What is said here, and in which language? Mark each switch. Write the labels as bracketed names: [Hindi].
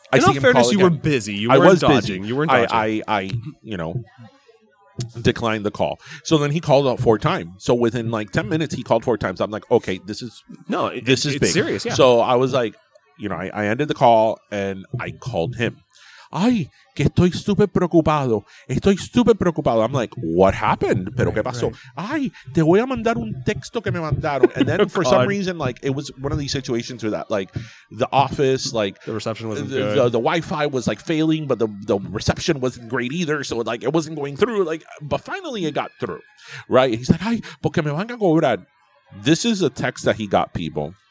[English] Were busy. You weren't dodging. I declined the call. So then he called out four times. So within like 10 minutes, he called four times. I'm like, okay, this is big. Serious. Yeah. So I was like, you know, I ended the call and I called him. [Spanish] Ay, que estoy super preocupado. Estoy super preocupado. [English] I'm like, what happened? [Spanish] Pero qué pasó? Ay, te voy a mandar un texto que me mandaron. [English] And then for some reason, like, it was one of these situations where that, like, the office, like... The reception wasn't good. The Wi-Fi was, like, failing, but the reception wasn't great either. So, like, it wasn't going through. Like, but finally it got through, right? He's like, [Spanish] ay, porque me van a cobrar. [English] This is a text that he got, people.